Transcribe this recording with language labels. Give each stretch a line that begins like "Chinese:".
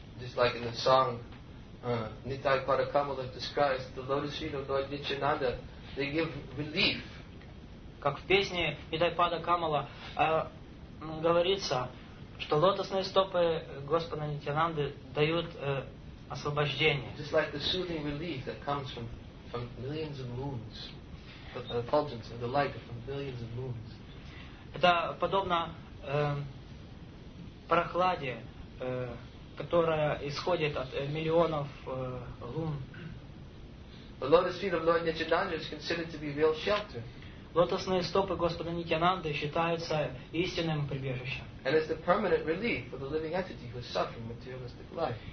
English: Just like in the song, Nitai Parakamala describes the lotus feet of Lord Nityananda, they give relief.
Russian: Как в песне Нитай Парикамала говорится, что лотосные стопы Господа Нитянанды дают освобождение.
English: Just like the soothing relief that comes from millions of moons, the effulgence of the light from millions of moons.
Russian: Это подобно прохладе, которая исходит от миллионов лун.
English: The lotus feet of Lord Nityananda is considered to be real shelter.
Russian: Лотосные стопы Господа Нитянанды считаются истинным прибежищем.
English: And it's the permanent relief for the living entity who is suffering materialistic life.